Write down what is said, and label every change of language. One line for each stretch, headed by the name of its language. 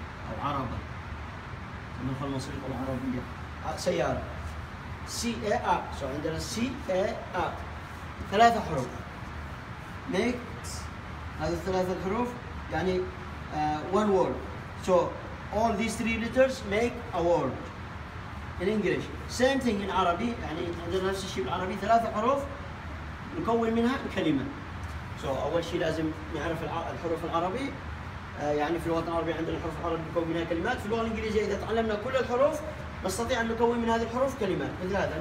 Arabic: أو عربة، كما في المصري يقول عربية، سيارة سي اي ا، سو عندنا سي اي ا ثلاثة حروف ميكس، هذه الثلاثة الحروف يعني
English: one word. So all these three letters make a word in English. Same thing in
Arabic: عربي، يعني عندنا نفس الشيء بالعربي، ثلاثة حروف نكون منها كلمة. So أول شيء لازم نعرف الحروف العربي، يعني في الوطن العربي عندنا الحروف العربية نكون منها كلمات. في اللغة الإنجليزية إذا تعلمنا كل الحروف نستطيع أن نكون من هذه الحروف كلمات مثل هذا.